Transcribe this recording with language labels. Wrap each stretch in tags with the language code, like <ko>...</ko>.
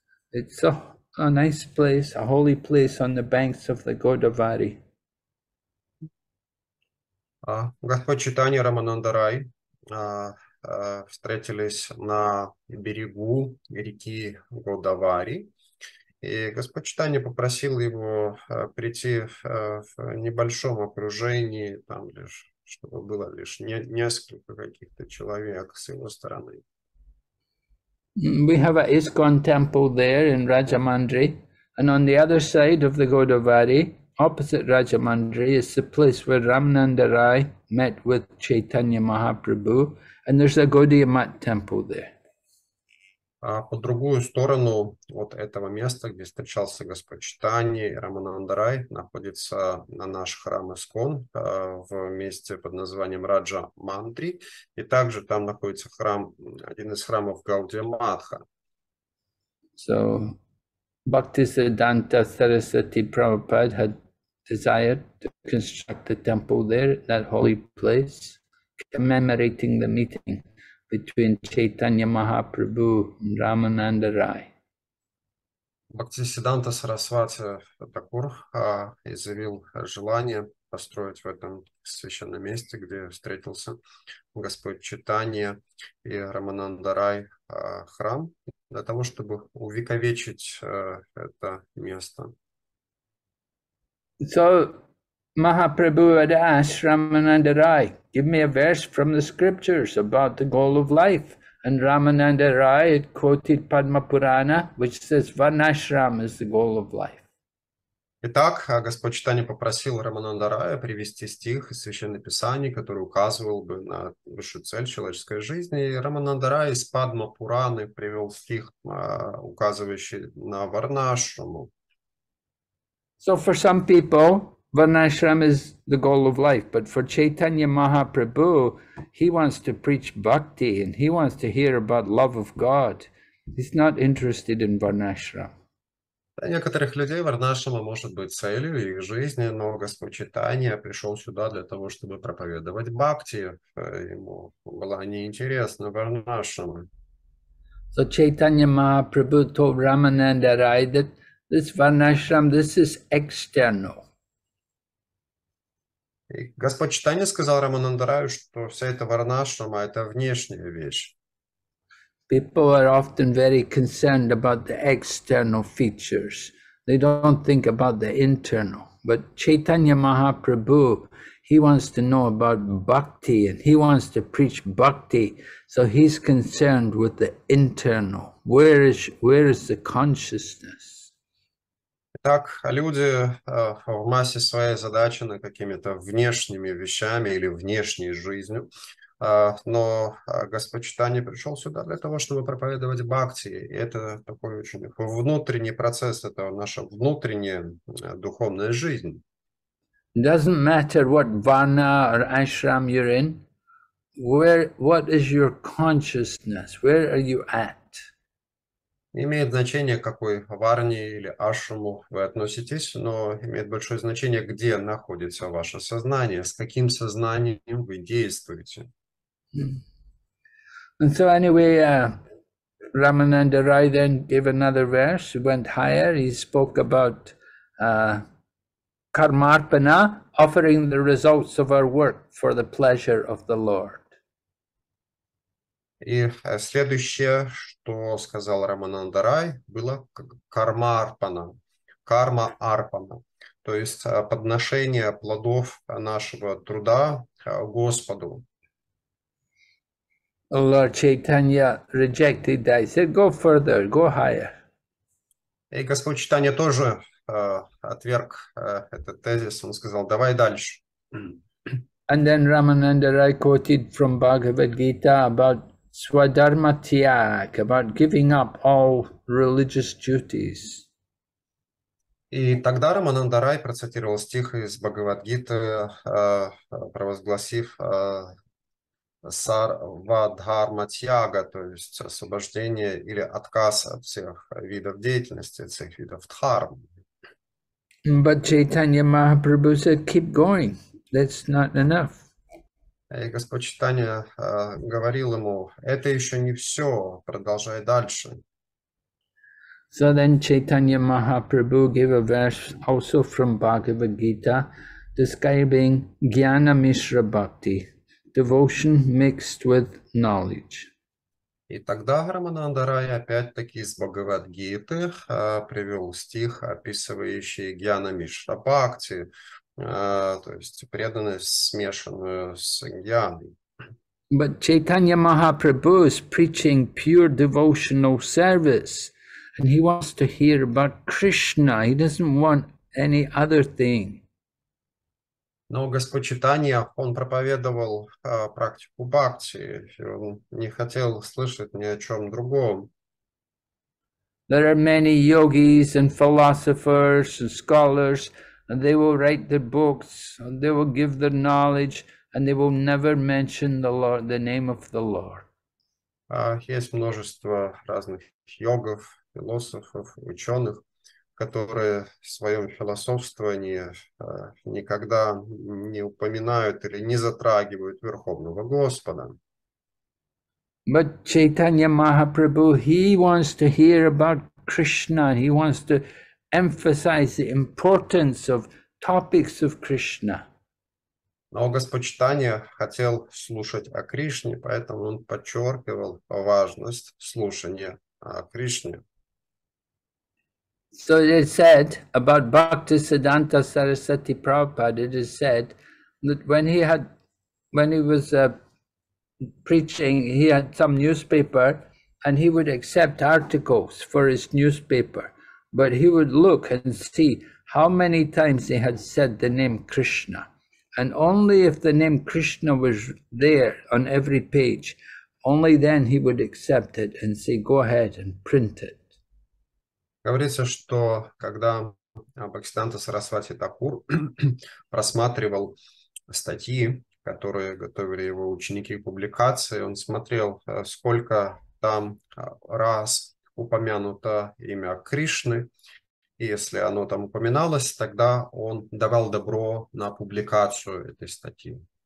<en>It's a nice place, a holy place on the banks of the Godavari.</en> <ru>Господь Чайтанья и Рамананда Рай встретились на берегу реки Годавари. И Господь Чайтанья попросил его прийти в небольшом окружении, там лишь, чтобы было лишь несколько каких-то человек с его стороны.</ru> <en>We have an ISKCON temple there in Rajamundry, and on the other side of the Godavari, opposite Rajamundry, is the place where Ramananda Rai met with Chaitanya Mahaprabhu, and there's a Gaudiya Math temple there.</en> <ru>По другую сторону от этого места, где встречался Господь Чайтанья и Рамананда Рай, находится на наш храм ИСКОН в месте под названием Раджа Мандри. И также там находится храм, один из храмов Гаудия Матха.</ru> <en>So, Bhaktisiddhanta Sarasvati Prabhupada had desired to construct a temple there, that holy place, commemorating the meeting between Chaitanya Mahaprabhu and Ramananda Rai.</en> <ru>Bhaktisiddhanta Sarasvati Thakur изъявил желание построить в этом священном месте, где встретился Господь Чайтанья и Рамананда Рай, храм, для того, чтобы увековечить это место.</ru> <en>So, Mahaprabhu had asked Ramananda Rai, give me a verse from the scriptures about the goal of life, And Ramananda Rai had quoted Padma Purana, which says Varnashram is the goal of life.</en> <ru>Итак, Господь Читания попросил Рамананда Рая привести стих из Священного Писания, который указывал бы на высшую цель человеческой жизни. И Рамананда Рая из Падма Пураны привел стих, указывающий на Варнашраму.</ru> <en>So for some people, Varnashram is the goal of life, but for Chaitanya Mahaprabhu, he wants to preach bhakti and he wants to hear about love of God. He's not interested in Varnashram.</en> <ru>Для некоторых людей Варнашрама может быть целью их жизни, но Господь Читания пришел сюда для того, чтобы проповедовать бхакти. Ему была неинтересна Варнашрама.</ru> <en>So Chaitanya Mahaprabhu told Ramananda Rai that this Varnashram, this is external.</en> <ru>И Господь Читания сказал Рамананда Раю, что вся эта Варнашрама – это внешняя вещь.</ru> <en>People are often very concerned about the external features. They don't think about the internal. But Chaitanya Mahaprabhu, he wants to know about bhakti and he wants to preach bhakti. So he's concerned with the internal. Where is the consciousness?</en> <ru>Так, люди в массе своей задачены какими-то внешними вещами или внешней жизнью. Но Господь Читания пришел сюда для того, чтобы проповедовать бхакти. И это такой очень внутренний процесс, это наша внутренняя духовная жизнь.</ru> <en>Doesn't matter what varna or ashram you're in, what is your consciousness, where are you at?</en> <ru>Не имеет значения, к какой варне или ашраму вы относитесь, но имеет большое значение, где находится ваше сознание, с каким сознанием вы действуете.</ru> <en>And so anyway, Ramananda Rai then gave another verse, went higher, he spoke about karmarpana, offering the results of our work for the pleasure of the Lord.</en> <ru>И следующее, что сказал Рамананда Рай, было кармарпана, карма-арпана, то есть подношение плодов нашего труда Господу.</ru> <en>Lord Chaitanya rejected that. He said, go further, go higher.</en> <ru>И Господь Читания тоже отверг этот тезис. Он сказал, давай дальше.</ru> <en>And then Ramananda Rai quoted from Bhagavad Gita about swadharma tyag, about giving up all religious duties.</en> <ru>И тогда Рамананда Рай процитировал стих из Бхагавад Гиты, провозгласив сарвадхарма тьяга, то есть освобождение или отказ от всех видов деятельности, от всех видов дхарм.</ru> <en>But Chaitanya Mahaprabhu said, keep going, that's not enough.</en> <ru>И Господь Читания говорил ему, это еще не все, продолжай дальше.</ru> <en>So then Chaitanya Mahaprabhu gave a verse also from Bhagavad Gita describing Jnana Mishra Bhakti. Devotion mixed with knowledge.</en> <ru>И тогда Рамананда Рай опять-таки из Бхагавад-гиты привел стих, описывающий Гьяна Мишра Бхакти, то есть преданность, смешанную с Гьяной.</ru> <en>But Chaitanya Mahaprabhu is preaching pure devotional service, and he wants to hear about Krishna. He doesn't want any other thing.</en> <ru>Но Господь Читания, он проповедовал практику бхакти, он не хотел слышать ни о чем другом.</ru> <en>There are many yogis and philosophers and scholars, and they will write their books, and they will give their knowledge, and they will never mention the Lord, the name of the Lord.</en> <ru>Есть множество разных йогов, философов, ученых, которые в своем философствовании никогда не упоминают или не затрагивают Верховного Господа.</ru> <en>But Chaitanya Mahaprabhu, he wants to hear about Krishna. He wants to emphasize the importance of topics of Krishna.</en> <ru>Но Господь Читания хотел слушать о Кришне, поэтому он подчеркивал важность слушания о Кришне.</ru> <en>So it said about Bhakti Siddhanta Sarasvati Prabhupada, it is said that when he was preaching, he had some newspaper, and he would accept articles for his newspaper, but he would look and see how many times he had said the name Krishna. And only if the name Krishna was there on every page, only then he would accept it and say, go ahead and print it.</en> <ru>Говорится, что когда Бхактисиддханта Сарасвати Такур просматривал статьи, которые готовили его ученики к публикации, он смотрел, сколько там раз упомянуто имя Кришны, и если оно там упоминалось, тогда он давал добро на публикацию этой статьи.</ru>